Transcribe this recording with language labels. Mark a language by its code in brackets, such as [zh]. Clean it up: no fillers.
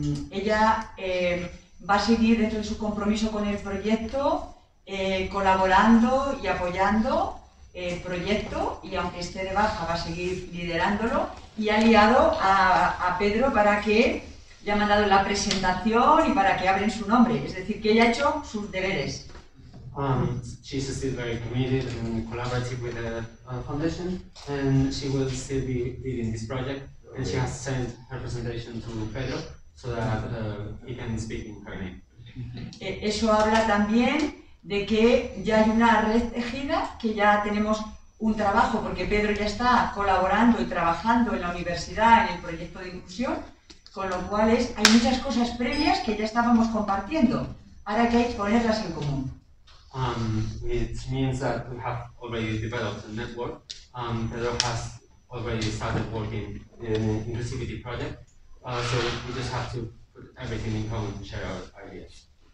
[es] Ella va a seguir dentro de su compromiso con el proyecto, colaborando y apoyando el proyecto, y aunque esté de baja va a seguir liderándolo, y ha liado a Pedro para que le ha mandado la presentación y para que abren su nombre, es decir, que ella ha hecho sus deberes. [en] She's still very committed and collaborative with the foundation, and she will still be leading this project, and she has sent her presentation to Pedro so that he can speak in her name. [es] Eso habla también de que ya hay una red tejida, que ya tenemos un trabajo, porque Pedro ya está colaborando y trabajando en la universidad en el proyecto de inclusión, con lo cual es, hay muchas cosas previas que ya estábamos compartiendo, ahora que hay que ponerlas en común. [en] It means that we have already developed a network. Pedro has already started working in the inclusivity project, so we just have to put everything in common and share our ideas.